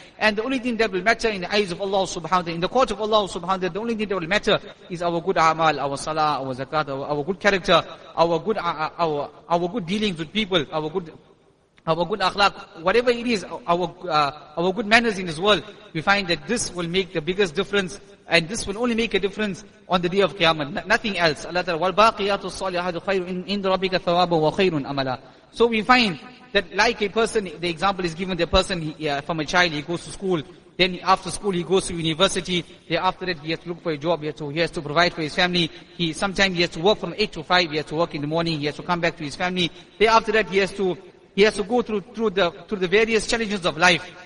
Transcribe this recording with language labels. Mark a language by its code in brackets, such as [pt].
[en] And the only thing that will matter in the eyes of Allah subhanahu wa ta'ala, in the court of Allah subhanahu wa ta'ala, the only thing that will matter is our good amal, our salah, our zakat, our good character, our good dealings with people, our good akhlaq, whatever it is, our good manners in this world. We find that this will make the biggest difference, and this will only make a difference on the day of Qiyamah. Nothing else. [ar] Allah Ta'ala, وَالْبَاقِيَاتُ الصَّالِحَاتُ خَيْرٌ عِنْدَ رَبِّكَ ثَوَابًا وَخَيْرٌ أَمَلًا. [en] So we find that like a person, the example is given, the person from a child, he goes to school. Then after school, he goes to university. Then after that, he has to look for a job. He has to provide for his family. Sometimes he has to work from 8 to 5. He has to work in the morning. He has to come back to his family. Then after that, he has to go through the various challenges of life.